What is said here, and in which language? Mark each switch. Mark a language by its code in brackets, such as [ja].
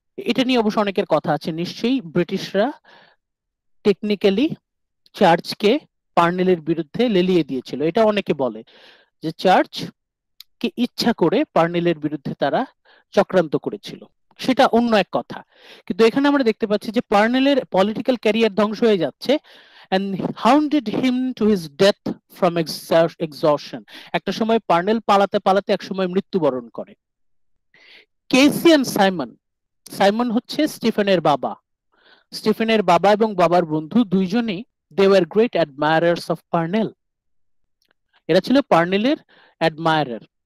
[bn] এটা নিয়ে অবশ্য অনেকের কথা আছে, নিশ্চয়ই ব্রিটিশরা টেকনিক্যালি চার্চকে পার্নেলের বিরুদ্ধে লেলিয়ে দিয়েছিল। এটা অনেকে বলে যে চার্চ কে ইচ্ছা করে পার্নেলের বিরুদ্ধে তারা চক্রান্ত করেছিল, সেটা অন্য এক কথা। কিন্তু এখানে আমরা দেখতে পাচ্ছি যে পার্নেলের পলিটিক্যাল ক্যারিয়ার ধ্বংস হয়ে যাচ্ছে। [en] And hounded him to his death from exhaustion. [bn] একটা সময় পার্নেল পালাতে পালাতে এক সময় মৃত্যুবরণ করে। কেসি অ্যান্ড সাইমন, সাইমন হচ্ছে স্টিফেনের বাবা, স্টিফেনের বাবা এবং বাবার বন্ধু দুইজনই [en] they were great admirers of Parnell, [bn] এরা ছিল পার্নেলের অ্যাডমায়ারার।